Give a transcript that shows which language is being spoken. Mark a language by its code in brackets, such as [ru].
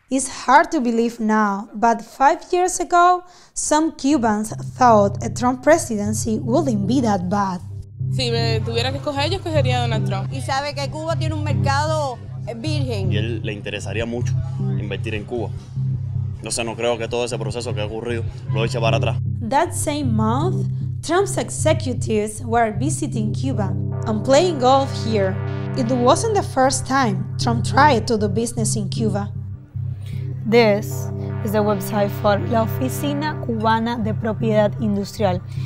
[en] It's hard to believe now, but 5 years ago, some Cubans thought a Trump presidency wouldn't be that bad. [es] Si me tuviera que escoger, yo escogería Donald Trump. Y sabe que Cuba tiene un mercado virgen. Y él le interesaría mucho invertir en Cuba. No sé, no creo que todo ese proceso que ha ocurrido lo eche para atrás. [en] That same month, Trump's executives were visiting Cuba and playing golf here. It wasn't the first time Trump tried to do business in Cuba. This is the website for La Oficina Cubana de Propiedad Industrial.